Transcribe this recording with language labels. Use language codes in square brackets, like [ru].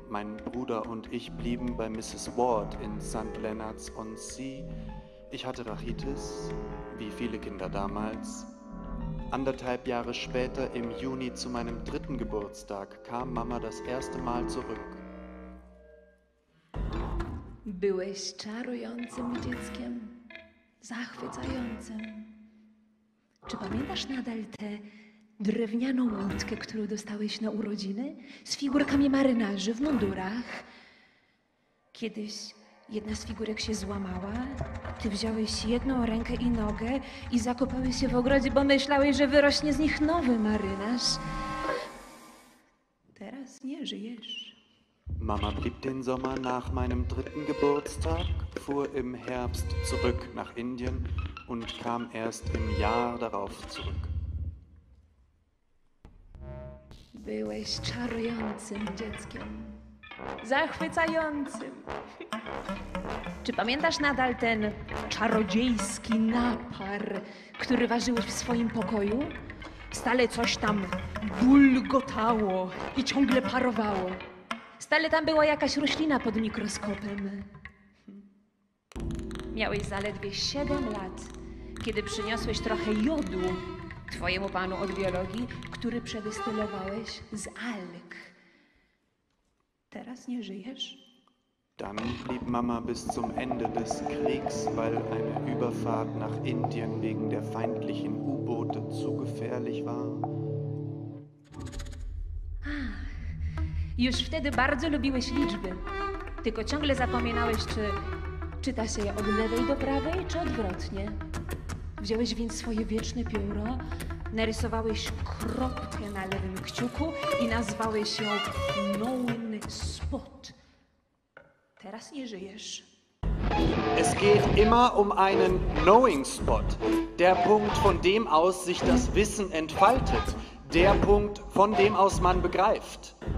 [de] Mein Bruder und ich blieben bei Mrs. Ward in St. Leonard's-on-Sea. Ich hatte Rachitis, wie viele Kinder damals. Anderthalb Jahre später, im Juni, zu meinem dritten Geburtstag, kam Mama das erste Mal zurück. [pl] Byłeś czarującym dzieckiem, zachwycającym. Czy pamiętasz nadal tę drewnianą łódkę, którą dostałeś na urodziny? Z figurkami marynarzy w mundurach. Kiedyś jedna z figurek się złamała, ty wziąłeś jedną rękę i nogę i zakopałeś się w ogrodzie, bo myślałeś, że wyrośnie z nich nowy marynarz. Teraz nie żyjesz. [de] Mama blieb den Sommer nach meinem dritten Geburtstag, fuhr im Herbst zurück nach Indien und kam erst im Jahr darauf zurück. [pl] Byłeś czarującym dzieckiem. Zachwycającym. Czy pamiętasz nadal ten czarodziejski napar, który ważyłeś w swoim pokoju? Stale coś tam bulgotało i ciągle parowało. Stale tam była jakaś roślina pod mikroskopem. Miałeś zaledwie 7 lat, kiedy przyniosłeś trochę jodu twojemu panu od biologii, który przedystylowałeś z alg. Teraz nie żyjesz? [de] Dann blieb Mama bis zum Ende des Kriegs, weil eine Überfahrt nach Indien wegen der feindlichen U-Boote zu gefährlich war. [pl] Już wtedy bardzo lubiłeś liczby, tylko ciągle zapominałeś, czy czyta się je od lewej do prawej, czy odwrotnie. Wziąłeś więc swoje wieczne pióro, narysowałeś kropkę na lewym kciuku i nazwałeś ją Known Spot. Teraz nie żyjesz. [de] Es geht immer um einen Knowing Spot. Der Punkt, von dem aus sich das Wissen entfaltet. Der Punkt, von dem aus man begreift.